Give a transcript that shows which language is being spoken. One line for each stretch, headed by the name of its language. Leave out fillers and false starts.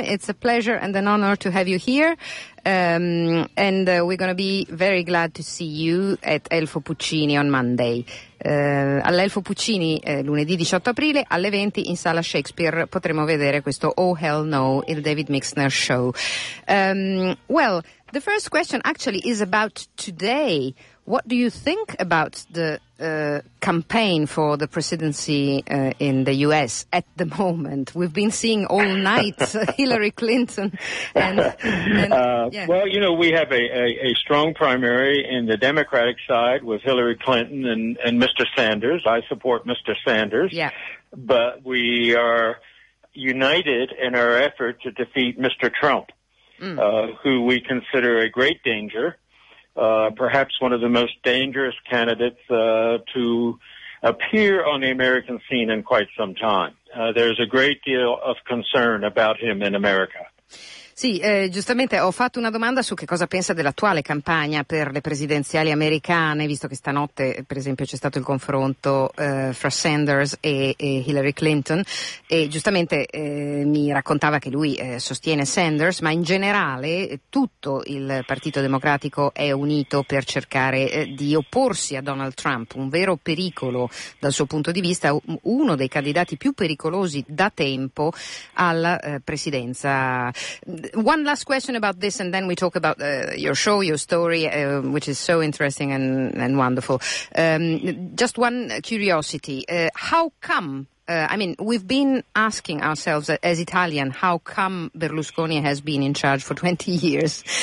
English: It's a pleasure and an honor to have you here. And we're going to be very glad to see you at Elfo Puccini on Monday.
Italian: All'Elfo Puccini, lunedì 18 aprile, alle 20 in sala Shakespeare, potremo vedere questo Oh Hell No, il David Mixner Show.
English: Well, the first question actually is about today. What do you think about the campaign for the presidency in the U.S. at the moment? We've been seeing all night Hillary Clinton. Well, you know, we have a strong primary in the Democratic side with Hillary Clinton and Mr. Sanders. I support Mr. Sanders. Yeah. But we are united in our effort to defeat Mr. Trump, who we consider a great danger. Perhaps one of the most dangerous candidates to appear on the American scene in quite some time. There's a great deal of concern about him in America.
Italian: Sì, giustamente ho fatto una domanda su che cosa pensa dell'attuale campagna per le presidenziali americane, visto che stanotte, per esempio, c'è stato il confronto fra Sanders e Hillary Clinton, e giustamente mi raccontava che lui sostiene Sanders, ma in generale tutto il Partito Democratico è unito per cercare di opporsi a Donald Trump, un vero pericolo dal suo punto di vista, uno dei candidati più pericolosi da tempo alla presidenza.
English: One last question about this, and then we talk about your show, your story, which is so interesting and wonderful. Just one curiosity. How come, we've been asking ourselves as Italian, how come Berlusconi has been in charge for 20 years?